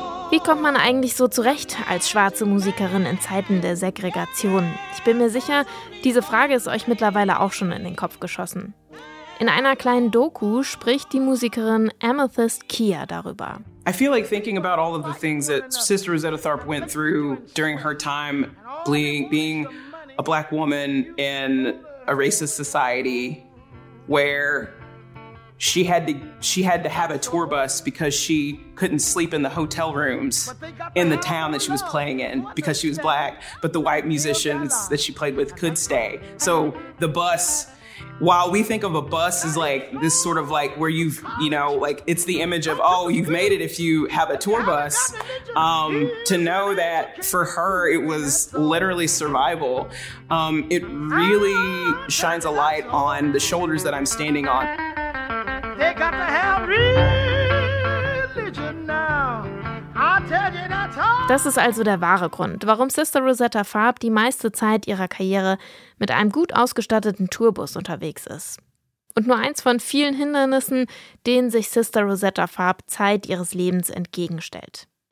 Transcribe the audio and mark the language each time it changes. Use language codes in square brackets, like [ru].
[de] Wie kommt man eigentlich so zurecht als schwarze Musikerin in Zeiten der Segregation? Ich bin mir sicher, diese Frage ist euch mittlerweile auch schon in den Kopf geschossen. In einer kleinen Doku spricht die Musikerin Amethyst Kia darüber. [en] I feel like thinking about all of the things that Sister Rosetta Tharpe went through during her time being a black woman in a racist society where she had to have a tour bus because she couldn't sleep in the hotel rooms in the town that she was playing in because she was black, but the white musicians that she played with could stay. So the bus, while we think of a bus as like this sort of like where you've, you know, like it's the image of, oh, you've made it if you have a tour bus, to know that for her it was literally survival, it really shines a light on the shoulders that I'm standing on. They got to have religion now. I'll tell you that's all. [de] Das ist also der wahre Grund, warum Sister Rosetta Tharpe die meiste Zeit ihrer Karriere mit einem gut ausgestatteten Tourbus unterwegs ist. Und nur eins von vielen Hindernissen, denen sich Sister Rosetta Tharpe Zeit ihres Lebens entgegenstellt.